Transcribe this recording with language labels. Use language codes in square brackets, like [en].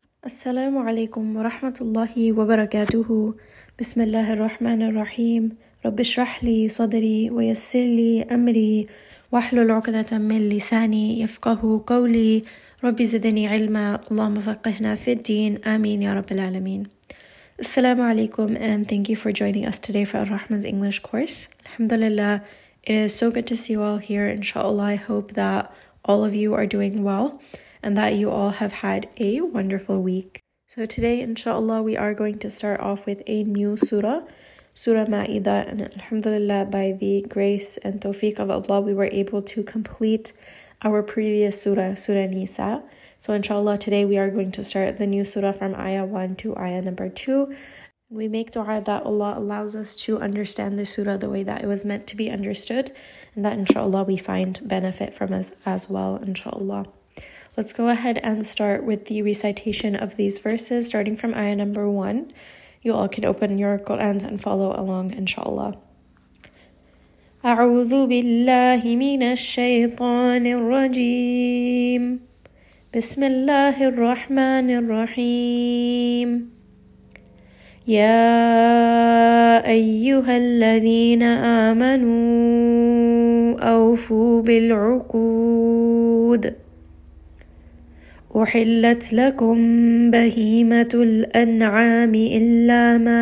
[ar] السلام عليكم ورحمة الله وبركاته. بسم الله الرحمن الرحيم. رب اشرح لي صدري ويسر لي أمري واحلل عقدة من لساني يفقه قولي. رب زدني علما، اللهم فقهنا في الدين، آمين يا رب العالمين. [en] السلام عليكم and thank you for joining us today for Ar-Rahman's English course. [ar] الحمد لله. [en] It is so good to see you all here. Inshallah, I hope that all of you are doing well and that you all have had a wonderful week. So today, inshallah, we are going to start off with a new surah, Surah Ma'idah. And alhamdulillah, by the grace and tawfiq of Allah, we were able to complete our previous surah, Surah Nisa. So inshallah, today we are going to start the new surah from ayah 1 to ayah number 2. We make dua that Allah allows us to understand the surah the way that it was meant to be understood, and that inshallah we find benefit from us as well, inshallah. Let's go ahead and start with the recitation of these verses, starting from ayah number 1. You all can open your Qur'ans and follow along, inshallah. [ar] أعوذ بالله من الشيطان الرجيم بسم الله الرحمن الرحيم يا أيها الذين آمنوا أوفوا بالعقود أحلت لكم بهيمة الأنعام إلا